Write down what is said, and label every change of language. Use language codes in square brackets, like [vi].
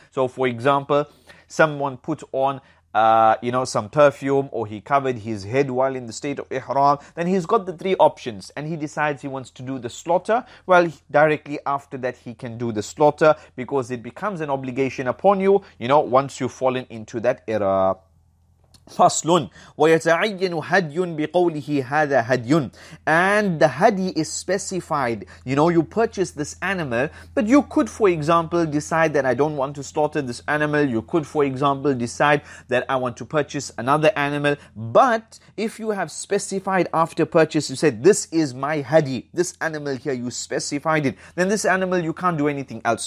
[en] So for example, someone put on some perfume, or he covered his head while in the state of ihram, then he's got the three options and he decides he wants to do the slaughter. Well, directly after that, he can do the slaughter because it becomes an obligation upon you, you know, once you've fallen into that error. [ar] فصل ويتعين هدي بقوله هذا هدي [en] and the hadi is specified. You know, you purchase this animal, but you could, for example, decide that I don't want to slaughter this animal. You could, for example, decide that I want to purchase another animal. But if you have specified after purchase, you said this is my hadi, this animal here, you specified it, then this animal you can't do anything else.